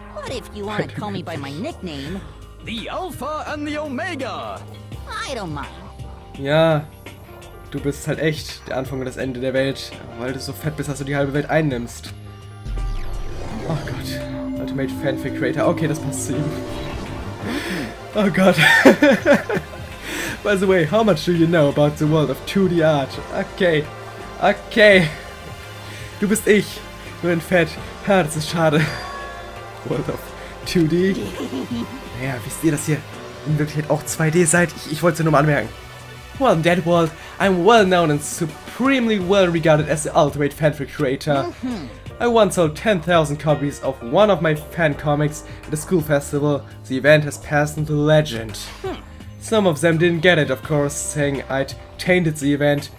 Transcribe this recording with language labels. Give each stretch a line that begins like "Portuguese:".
English: What if you wanna call me by my nickname? The Alpha and the Omega. I don't mind.
German: Ja, du bist halt echt der Anfang und das Ende der Welt, weil du so fett bist, dass du die halbe Welt einnimmst. Oh Gott, Ultimate Fanfic Creator. Okay, das passt zu ihm. Oh Gott.
English: By the way, how much do you know about the world of 2D art?
German: Okay. Du bist ich, nur in Fett. Ha, das ist schade.
English: World of 2D?
German: Naja, wisst ihr, dass ihr in Wirklichkeit auch 2D seid? Ich wollte es nur mal anmerken.
English: Well, in that world, I'm well known and supremely well regarded as the ultimate fanfic creator. I once sold 10,000 copies of one of my fan comics at a school festival. The event has passed into legend. Some of them didn't get it, of course, saying I'd tainted the event.